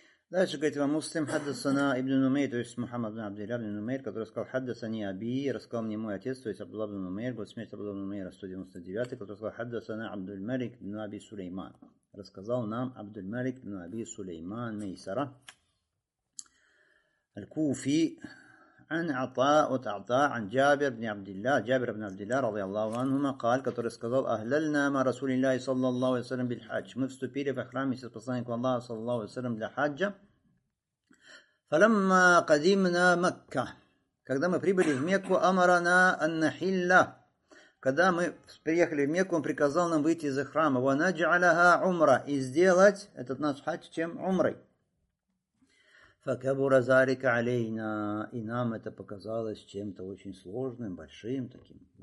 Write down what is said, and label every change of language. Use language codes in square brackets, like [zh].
[ru] Дальше говорит вам Муслим хаддасана ибн Нумейр, то есть Мухаммад ибн Абдулла ибн Нумейр, который сказал хаддасани аби, рассказал мне мой отец, то есть Абдулла ибн Нумейр, год смерти Абдулла ибн Нумейра 199, который сказал хаддасана Абдул-Малик ибн Аби Сулейман. Рассказал нам Абдул-Малик ибн Аби Сулейман Мейсара. [ar] Аль-Куфи عن عطاء وتعطاء عن جابر بن عبد الله جابر بن عبد الله رضي الله عنهما قال [ru] который сказал [ar] أهللنا مع رسول الله صلى الله عليه وسلم بالحج [ru] мы вступили в храм и посланник Аллаха [ar] صلى الله عليه وسلم для хаджа فلما قدمنا مكة [ru] Когда мы прибыли в Мекку, [ar] амарана аннахилла. [ru] Когда мы приехали в Мекку, он приказал нам выйти из храма. [ar] Ванаджаляха умра. [ru] И сделать этот наш хадж чем умрой. [ar] Факабура зарика алейна. [ru] И нам это показалось чем-то очень сложным, большим таким.